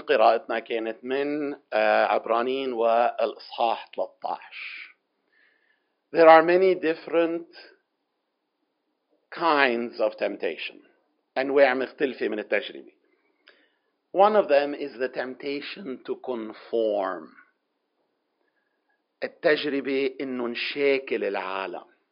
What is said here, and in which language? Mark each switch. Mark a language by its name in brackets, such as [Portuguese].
[Arabic] قراءتنا كانت من عبرانيين والإصحاح 13. [English] There are many different kinds of temptation. [Arabic] أنواع مختلفة من التجربة. [English] One of them is the temptation to conform. [Arabic] التجربة إنه نشاكل العالم.